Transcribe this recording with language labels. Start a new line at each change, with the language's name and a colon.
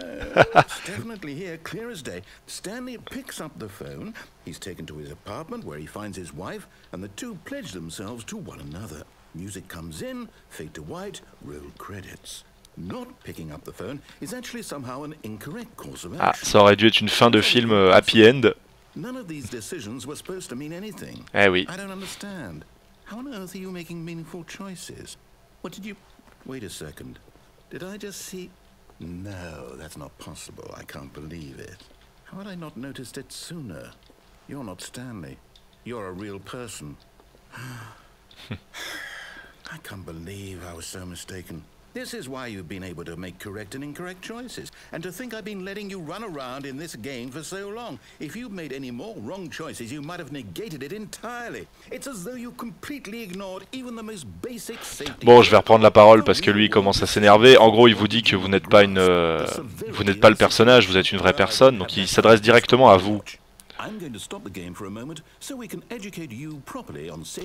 English: It's definitely here, clear as day. Stanley picks up the phone. He's taken to his apartment where he finds his wife, and the two pledge themselves to one another. Music comes in, fade to white, roll credits. Not picking up the phone is actually somehow an incorrect course of action.
French: Ah, ça aurait dû être une fin de film happy end.
English: None of these decisions were supposed to mean anything.
French: Eh oui.
English: I don't understand. How on earth are you making meaningful choices? What did you... Wait a second. Did I just see... No, that's not possible. I can't believe it. How had I not noticed it sooner? You're not Stanley. You're a real person. I can't believe I was so mistaken. This is why you've been able to make correct and incorrect choices. And to think I've been letting you run around in this game for so long. If you've made any more wrong choices, you might have negated it entirely. It's as though you completely ignored even the most basic safety.
French: Bon, je vais reprendre la parole parce que lui il commence à s'énerver. En gros, il vous dit que vous n'êtes pas une vous n'êtes pas le personnage, vous êtes une vraie personne, donc il s'adresse directement à vous.
English: I'm going to stop the game for a moment so we can educate you properly on safe